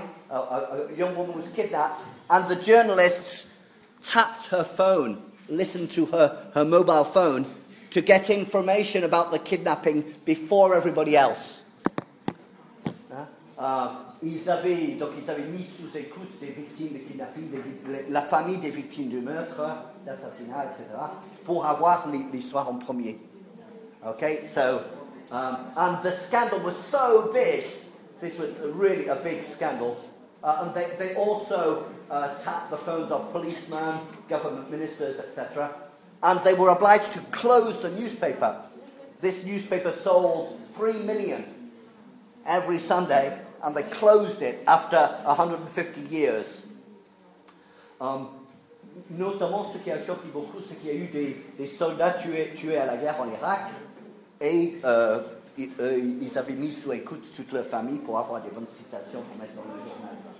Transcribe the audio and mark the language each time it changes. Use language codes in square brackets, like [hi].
[en] A young woman was kidnapped, and the journalists tapped her phone, listened to her mobile phone, to get information about the kidnapping before everybody else. [fr] Ils avaient mis sous écoute des victimes de kidnapping, la famille des victimes du meurtre, d'assassinat, etc., pour avoir l'histoire en premier. [en] Okay, so, and the scandal was so big, this was really a big scandal, and they also tapped the phones of policemen, government ministers, etc., and they were obliged to close the newspaper. This newspaper sold 3 million every Sunday, and they closed it after 150 years. [fr] Notamment, ce qui a choqué beaucoup, c'est qu'il y a eu des soldats tués à la guerre en Irak, et ils avaient mis sous écoute toute leur famille pour avoir des bonnes citations pour mettre dans le journal.